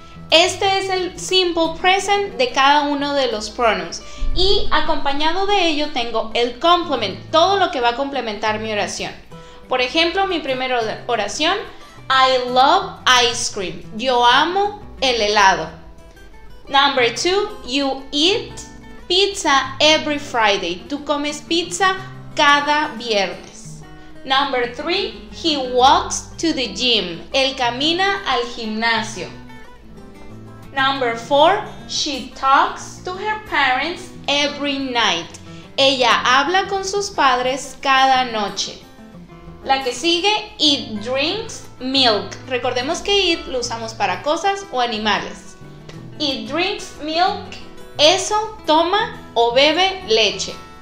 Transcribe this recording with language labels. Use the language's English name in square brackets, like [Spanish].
[Spanish] Este es el simple present de cada uno de los pronouns. Y acompañado de ello tengo el complement, todo lo que va a complementar mi oración. Por ejemplo, mi primera oración, [English] I love ice cream. [Spanish] Yo amo el helado. [English] Number two, you eat pizza every Friday. [Spanish] Tú comes pizza cada viernes. [English] Number three, he walks to the gym. [Spanish] Él camina al gimnasio. [English] Number four, she talks to her parents every night. [Spanish] Ella habla con sus padres cada noche. La que sigue, [English] it drinks milk. [Spanish] Recordemos que it lo usamos para cosas o animales. [English] It drinks milk. [Spanish] Eso toma o bebe leche.